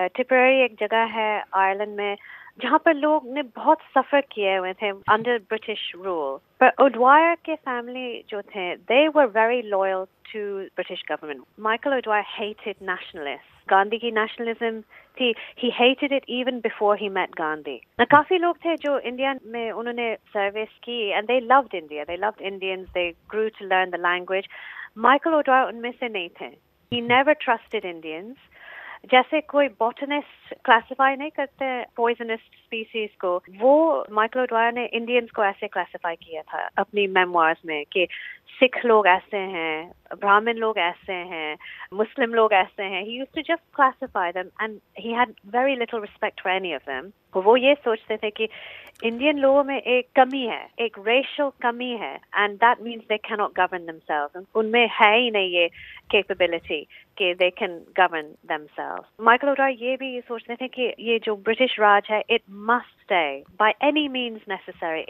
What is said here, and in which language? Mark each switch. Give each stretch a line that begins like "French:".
Hindi: टिपरेरी एक जगह है आयरलैंड में जहाँ पर लोग ने बहुत सफर किए हुए थे
English: under British rule,
Hindi: पर ओड्वायर के फैमिली जो थे
English: They were very loyal to British government. Michael O'Dwyer hated nationalist,
Hindi: Gandhi की नेशनलिज्म थी,
English: he hated it even before he met Gandhi. Now,
Hindi: काफी लोग थे जो इंडिया में उन्होंने सर्विस की
English: and they loved India, they loved Indians, they grew to learn the language. Michael O'Dwyer
Hindi: उनमें से नहीं थे,
English: he never trusted Indians.
Hindi: जैसे कोई botanist classify नहीं करते
English: poisonous species
Hindi: को, वो Michael O'Dwyer ने Indians को ऐसे classify किया था अपनी memoirs में कि सिख लोग ऐसे हैं, ब्राह्मण लोग ऐसे हैं, मुस्लिम लोग ऐसे हैं।
English: He used to just classify them and he had very little respect for any of them.
Hindi: वो ये सोचते थे कि इंडियन लोगों में एक कमी है, एक racial कमी है,
English: and that means they cannot govern themselves.
Hindi: उनमें है ही नहीं ये capability कि
English: they can govern themselves.
Hindi: Michael O'Dwyer ये भी सोचते थे कि ये जो ब्रिटिश राज है,
English: it must stay by any means necessary.